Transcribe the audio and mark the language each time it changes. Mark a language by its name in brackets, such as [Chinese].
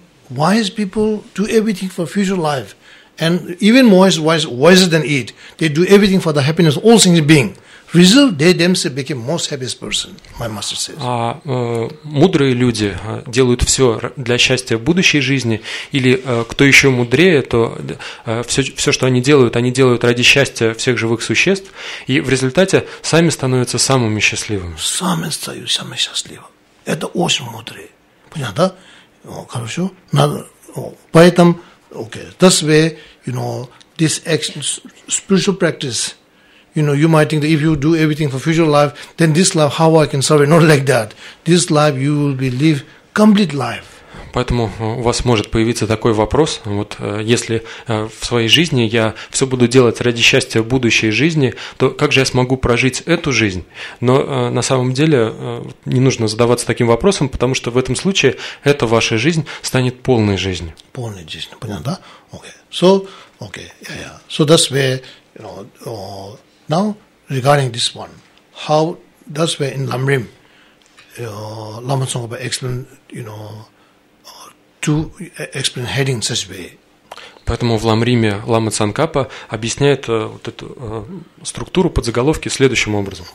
[English] Wise people do everything for future life, and even more is wiser than it. They do everything for the happiness of all things being. Result, they themselves became most happiest person, my master says. [Russian] Мудрые люди делают все для счастья в будущей жизни, или кто еще мудрее, то все, что они делают ради счастья всех живых существ, и в результате сами становятся самыми счастливыми. Сами стаю самыми счастливыми. Это очень мудрые. Понятно, да? Хорошо. Поэтому, [English] okay, that's why, you know, this spiritual practice, you know, you might think that if you do everything for future life, then this life, how I can survive? Not like that. This life, you will be live complete life. [Russian] Поэтому у вас может появиться такой вопрос, вот если в своей жизни я все буду делать ради счастья будущей жизни, то как же я смогу прожить эту жизнь? Но на самом деле не нужно задаваться таким вопросом, потому что в этом случае эта ваша жизнь станет полной жизнью. Полной жизнью, понятно, да? [English] Okay. So, okay, yeah. So that's where, you know, now, regarding this one, how does where in Lamrim, Lama Tsongkhapa explain, you know, to explain heading in such way. [Russian] Поэтому в Ламриме Лама Цанкапа объясняет вот эту структуру подзаголовки следующим образом.